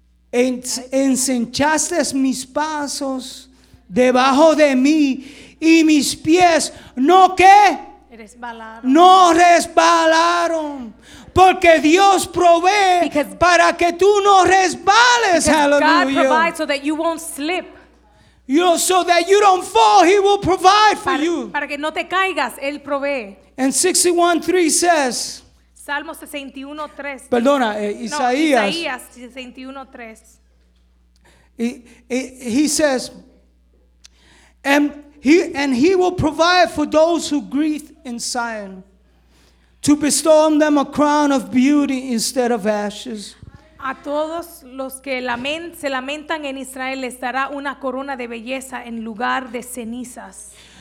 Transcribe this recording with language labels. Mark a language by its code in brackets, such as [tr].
[es] Ensanchaste mis pasos debajo de mí y mis pies no qué? Resbalaron. No resbalaron. Porque Dios provee para que tú no resbales. [en] Hallelujah. God provides so that you won't slip. You know, so that you don't fall, he will provide for you. [es] Para que no te caigas, él provee. [en] And 61:3 says. [es] Salmo 61:3. Perdona, Isaías. No, Isaías 61:3. [en] He says, and he will provide for those who grieve in Zion, to bestow on them a crown of beauty instead of ashes. [es] A todos los que se lamentan en Israel les dará una corona de belleza en lugar de cenizas.